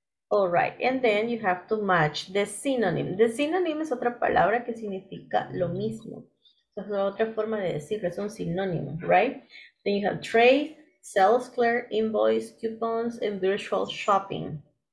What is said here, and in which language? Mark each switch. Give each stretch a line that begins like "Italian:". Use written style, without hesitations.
English: All right, and then you have to match the synonym. The synonym
Spanish: es otra palabra que significa lo mismo. Es otra forma de decirlo, es un sinónimo, right?
English: Then you have trade, sales clerk, invoice, coupons, and virtual shopping.